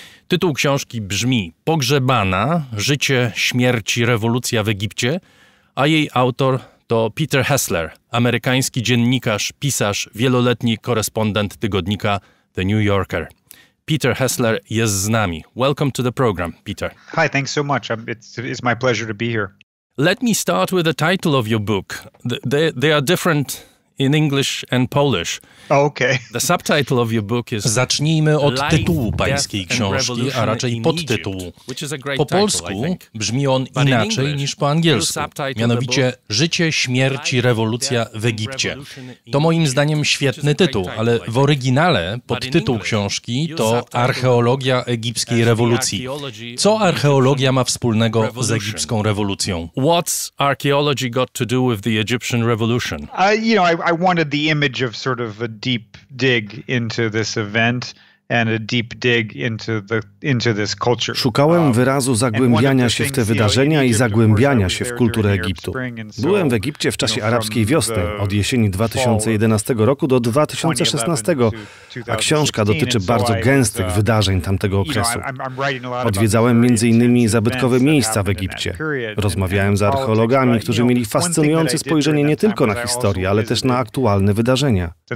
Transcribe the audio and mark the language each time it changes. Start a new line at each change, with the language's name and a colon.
Polish: Tytuł książki brzmi Pogrzebana. Życie, śmierć i rewolucja w Egipcie, a jej autor to Peter Hessler, amerykański dziennikarz, pisarz, wieloletni korespondent tygodnika The New Yorker. Peter Hessler jest z nami.
English: Welcome to the program, Peter. Hi, thanks so much. It's my pleasure to be here. Let me start with the title of your book. They are different in English and Polish. Okay. The subtitle of your book is
Polish: Zacznijmy od tytułu pańskiej książki, a raczej podtytułu. Po polsku brzmi on inaczej niż po angielsku. Mianowicie Życie, śmierć i rewolucja w Egipcie. To moim zdaniem świetny tytuł, ale w oryginale podtytuł książki to Archeologia egipskiej rewolucji. Co archeologia ma wspólnego z egipską rewolucją?
English: What's archaeology got to do with the Egyptian revolution? I wanted the image of sort of a deep dig into this event and a deep dig into this culture.
Polish: Szukałem wyrazu zagłębiania się w te wydarzenia i zagłębiania się w kulturę Egiptu. Byłem w Egipcie w czasie arabskiej wiosny, od jesieni 2011 roku do 2016, a książka dotyczy bardzo gęstych wydarzeń tamtego okresu. Odwiedzałem m.in. zabytkowe miejsca w Egipcie. Rozmawiałem z archeologami, którzy mieli fascynujące spojrzenie nie tylko na historię, ale też na aktualne wydarzenia.